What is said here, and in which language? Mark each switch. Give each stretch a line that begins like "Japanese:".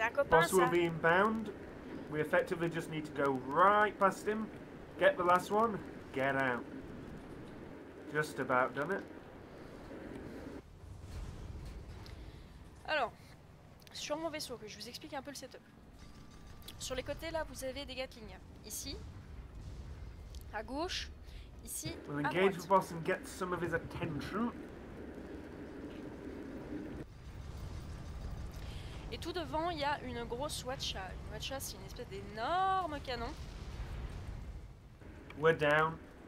English: Boss will be inbound. We effectively just need to go right past him, get the last one, get out. Just about done it.
French: Alors, sur mon vaisseau, que je vous explique un peu le setup. Sur les côtés là, vous avez des gatlings. Ici, à gauche, ici, à droite.
English: We'll engage the boss and get some of his attention.
French: Et tout devant, il y a une grosse watcha. Une watcha, c'est une espèce d'énorme canon.
English: We're down.